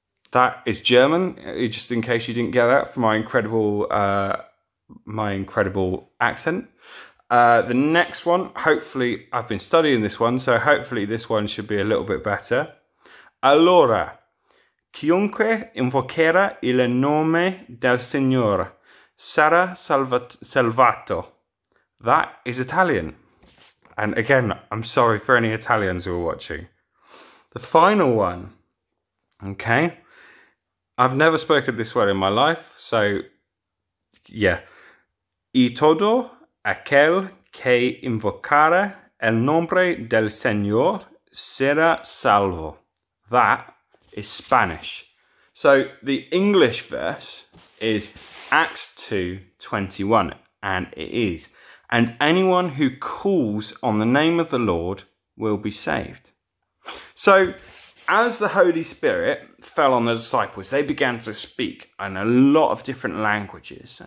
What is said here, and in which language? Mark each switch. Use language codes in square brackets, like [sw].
[en] That is German, just in case you didn't get that from my incredible accent. The next one, hopefully, I've been studying this one, so hopefully this one should be a little bit better. [it] Allora, chiunque invocherà il nome del Signore sarà salvato. [en] That is Italian. And again, I'm sorry for any Italians who are watching. The final one, okay. I've never spoken this word in my life, so yeah. [es] E todo aquel che invocare el nombre del Señor será salvo. [en] That is Spanish. So the English verse is Acts 2:21, and it is, and anyone who calls on the name of the Lord will be saved. So as the Holy Spirit fell on the disciples, they began to speak in a lot of different languages.